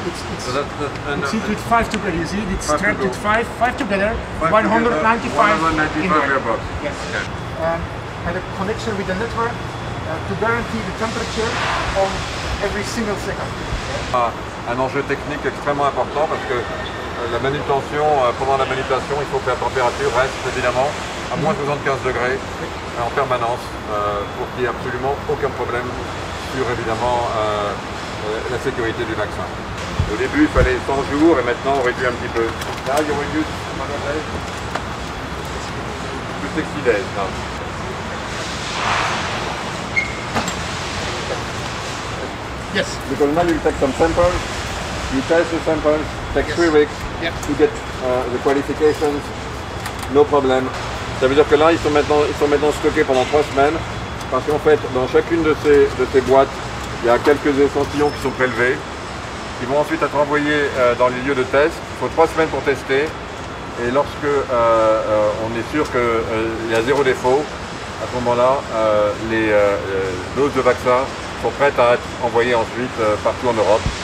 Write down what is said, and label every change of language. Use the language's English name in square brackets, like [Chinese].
[English] It's 5 together, you see, it's trapped at 5 together, 195 in box. Yes. Okay. And a connection with the network to guarantee the temperature on every single second. [French] Un enjeu technique extrêmement important parce que la manutention, pendant la manutention, il faut que la température reste évidemment à moins 75 degrés en permanence pour qu'il n'y ait absolument aucun problème sur évidemment la sécurité du vaccin. Au début, il fallait 100 jours et maintenant on réduit un petit peu. Là, il y aurait juste 6 days. Plus que 6 days. [English] Yes. Because now you take some samples, you test the samples, take yes. 3 weeks yep. to get the qualifications, no problem. [French] Ça veut dire que là, ils sont maintenant stockés pendant 3 semaines parce qu'en fait, dans chacune de ces boîtes, il y a quelques échantillons qui sont prélevés, qui vont ensuite être envoyés dans les lieux de test. Il faut 3 semaines pour tester. Et lorsque on est sûr qu'il y a zéro défaut, à ce moment-là, les doses de vaccins sont prêtes à être envoyées ensuite partout en Europe.